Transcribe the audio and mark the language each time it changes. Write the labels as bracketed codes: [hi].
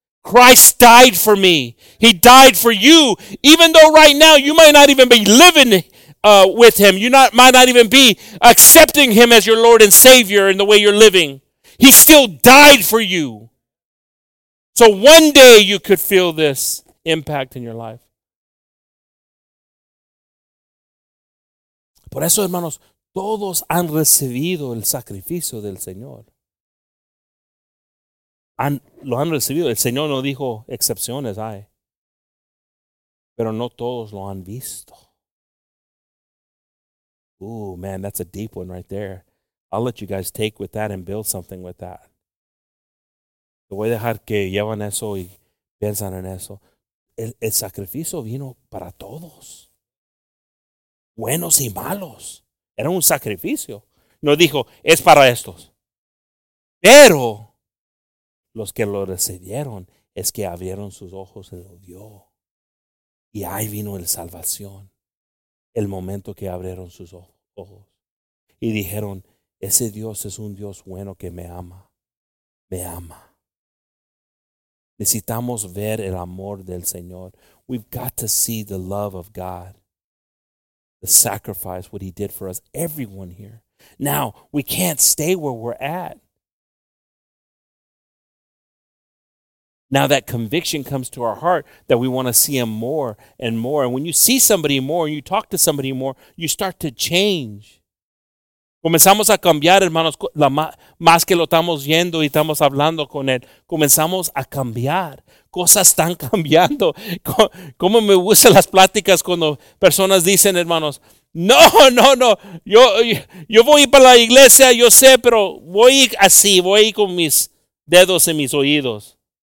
[en] Christ died for me. He died for you. Even though right now you might not even be living with him. You might not even be accepting him as your Lord and Savior in the way you're living. He still died for you. So one day you could feel this impact in your life. [es] Por eso, hermanos, todos han recibido el sacrificio del Señor. Lo han recibido. El Señor no dijo excepciones hay. Pero no todos lo han visto. [en] Ooh, man, that's a deep one right there. I'll let you guys take with that and build something with that. [es] Te voy a dejar que llevan eso y piensan en eso. El sacrificio vino para todos. Buenos y malos. Era un sacrificio. No dijo, es para estos. Pero los que lo recibieron es que abrieron sus ojos y lo vio. Y ahí vino la salvación. El momento que abrieron sus ojos. Y dijeron, ese Dios es un Dios bueno que me ama. Me ama. Necesitamos ver el amor del Señor. [en] We've got to see the love of God. The sacrifice, what he did for us, everyone here. Now, we can't stay where we're at. Now that conviction comes to our heart that we want to see him more and more. And when you see somebody more and you talk to somebody more, you start to change. [es] Comenzamos a cambiar, hermanos, más que lo estamos viendo y estamos hablando con él. Comenzamos a cambiar. Cosas están cambiando. ¿Cómo me gustan las pláticas cuando personas dicen, hermanos, no, yo voy para la iglesia, yo sé, pero voy así, voy con mis dedos en mis oídos.